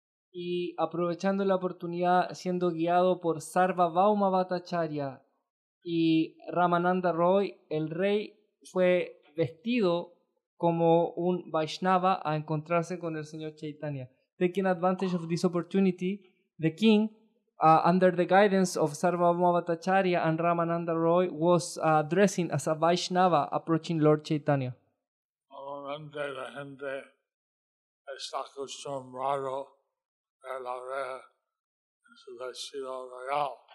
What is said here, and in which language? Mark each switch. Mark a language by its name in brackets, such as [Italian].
[Spanish] Y aprovechando la oportunidad, siendo guiado por Sarva Bauma Bhattacharya y Ramananda Roy, el rey fue vestido como un Vaishnava a encontrarse con el señor Chaitanya. [English] Taking advantage of this opportunity, the king, under the guidance of Sarvabhauma Bhattacharya and Ramananda Roy, was dressing as a Vaishnava approaching Lord Chaitanya. [Spanish] Normalmente la gente está acostumbrado a la reja en su vestido real.